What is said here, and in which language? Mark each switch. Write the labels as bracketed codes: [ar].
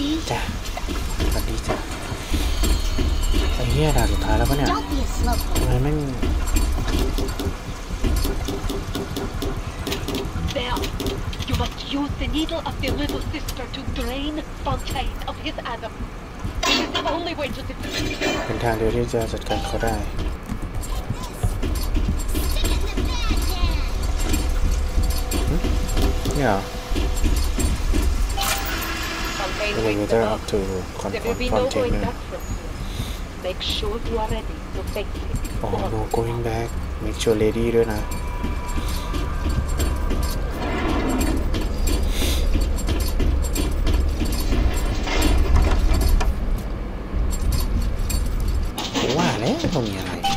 [th] จ้ะสวัสดีจ้ะไอ้เหี้ยด่าสุดท้ายแล้วปะเนี่ยทำไมไม่ [en] Bell you must use the needle of the little sister to drain Fontaine of his atom this is the only way to defeat [th] เป็นทางเดียวที่จะจัดการเขาได้ [en] Yeah. Okay, we're up to Fontaine. Make sure you are ready to take it. Oh, no going back. Make sure lady [th] ด้วยนะ ว้าวเนี่ยตรงนี้อะไร